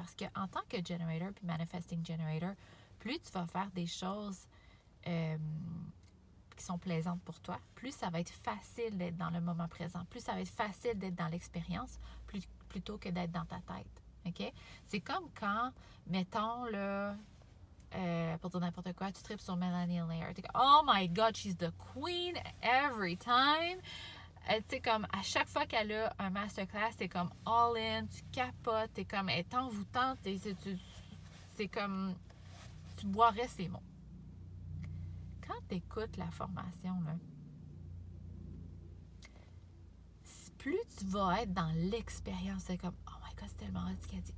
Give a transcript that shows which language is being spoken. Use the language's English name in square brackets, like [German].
[French] Parce que en tant que generator puis manifesting generator, plus tu vas faire des choses qui sont plaisantes pour toi, plus ça va être facile d'être dans le moment présent, plus ça va être facile d'être dans l'expérience plutôt que d'être dans ta tête. Okay? C'est comme quand, mettons, là, pour dire n'importe quoi, tu tripes sur Melanie Laird. T'es comme, [English] oh my God, she's the queen every time. [French] Tu sais, comme à chaque fois qu'elle a un masterclass, t'es comme [English] all in, [French] tu capotes, t'es comme, elle est envoûtante, c'est comme, tu boirais ses mots. Quand tu écoutes la formation, là, plus tu vas être dans l'expérience, c'est comme, [English] oh my God, [French] c'est tellement hot ce qu'elle dit.